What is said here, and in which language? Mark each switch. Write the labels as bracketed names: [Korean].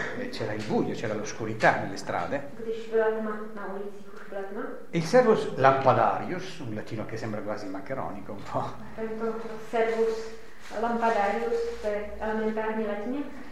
[Italian] C'era il buio, c'era l'oscurità nelle strade. [Czech] Když byla tma na ulicích, už byla tma. [Italian] Il servus lampadarius, un latino che sembra quasi macaronico un po'. [Czech] Tento servus lampadarius, to je elementární latině.